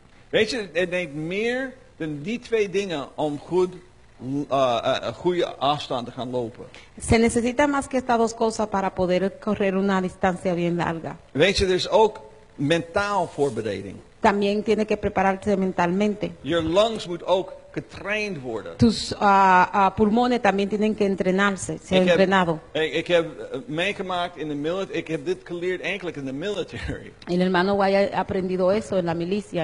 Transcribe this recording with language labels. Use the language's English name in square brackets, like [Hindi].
[Dutch] Weet je, het neemt meer dan die twee dingen om goede afstand te gaan lopen. [Spanish] Se necesita más que estas dos cosas para poder correr una distancia bien larga. [Dutch] Weet je, er is ook mentaal voorbereiding. [Spanish] También tiene que prepararse mentalmente. [English] Your lungs [Dutch] moet ook getraind worden. [Spanish] Tus pulmones también tienen que entrenarse, ser entrenado. [Dutch] Ik heb meegemaakt in de militaire. Ik heb dit geleerd eigenlijk in de military. [Spanish] El hermano Guaya ha aprendido eso en la milicia.